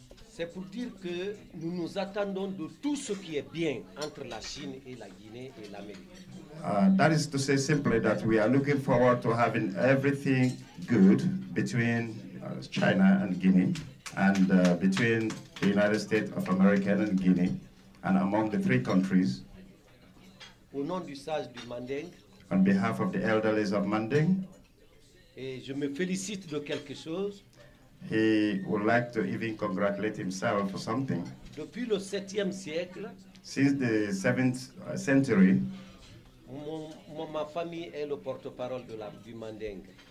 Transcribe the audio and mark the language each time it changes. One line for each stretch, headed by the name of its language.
French: C'est pour dire que nous nous attendons de tout ce qui est bien entre la Chine et la Guinée et l'Amérique.
English: That is to say simply that we are looking forward to having everything good between China and Guinea and between the United States of America and Guinea and among the three countries.
French: Au nom du sage du Mandingue,
English: on behalf of the elderlies of Mandingue,
French: et je me félicite de quelque chose.
English: He would like to even congratulate himself for something.
French: Depuis le 7e siècle,
English: since the 7th century,
French: ma famille est le porte-parole de du Mandingue.